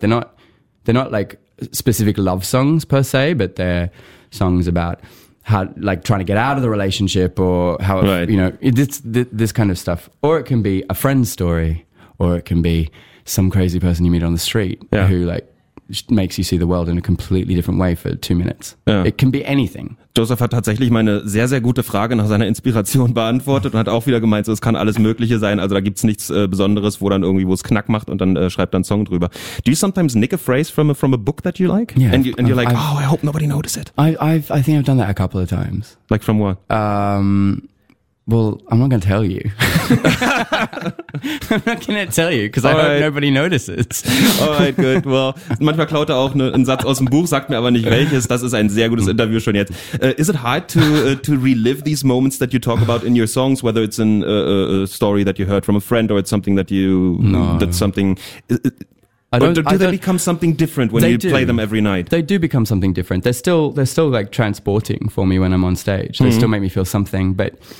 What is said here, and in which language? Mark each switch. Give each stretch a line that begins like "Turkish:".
English: They're not like specific love songs per se, but they're songs about how, like trying to get out of the relationship or how, you know, this kind of stuff. Or it can be a friend's story, or it can be some crazy person you meet on the street who like, makes you see the world in a completely different way for 2 minutes. Ja. It can be anything.
German: Joseph hat tatsächlich meine sehr, sehr gute Frage nach seiner Inspiration beantwortet und hat auch wieder gemeint, so, es kann alles Mögliche sein. Also da gibt's nichts Besonderes, wo dann irgendwie, wo es Knack macht und dann schreibt dann Song drüber.
English: Do you sometimes nick a phrase from a book that you like? Yeah. And you're like, I hope nobody notices it. I think I've done that a couple of times. Like from what? Well, I'm not going to tell you. I'm not going to tell you, because I hope nobody notices. All right, good.
German: Well, manchmal klaut er auch einen Satz aus dem Buch, sagt mir aber nicht welches. Das ist ein sehr gutes Interview schon jetzt.
English: Is it hard to relive these moments that you talk about in your songs, whether it's in a story that you heard from a friend or it's something that you... No. That's something... Do they become something different when you play them every night? They do become something different. They're still like transporting for me when I'm on stage. They still make me feel something, but...